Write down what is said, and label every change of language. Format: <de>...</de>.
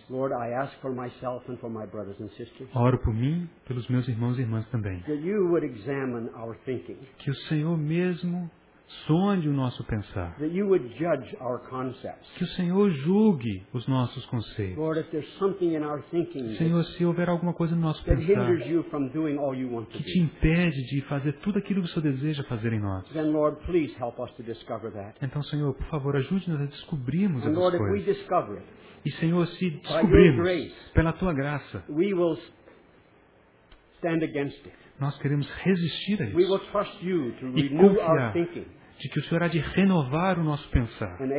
<en>Lord, I ask for myself and for my brothers and sisters,</en> <pt>oro por mim, pelos meus irmãos e irmãs também,</pt> <en>that you would examine our thinking,</en> <pt>que o Senhor mesmo sonde o nosso pensar.</pt> <en>That you would judge our concepts.</en> <pt>Que o Senhor julgue os nossos conceitos.</pt> <en>Lord, if there's something in our thinking,</en> <pt>Senhor, se houver alguma coisa no nosso pensar</pt> <en>that hinders you from doing all you want to</en> <pt>que te impede de fazer tudo aquilo que o Senhor deseja fazer em nós,</pt> <en>then, Lord, please help us to discover that.</en> <pt>Então, Senhor, por favor, ajude-nos a descobrirmos</pt> <en>and</en> <pt>essas</pt> <en>Lord,</en> <pt>coisas.</pt> <en>If we discover it,</en> <pt>e, Senhor, se descobrirmos pela Tua graça,</pt> <en>we will stand against it.</en> <pt>Nós queremos resistir a isso.</pt> <en>We will trust you to</en> <pt>e</pt> <en>renew</en> <pt>confiar</pt> <en>our thinking.</en> <pt>De que o Senhor há de renovar o nosso pensar.</pt>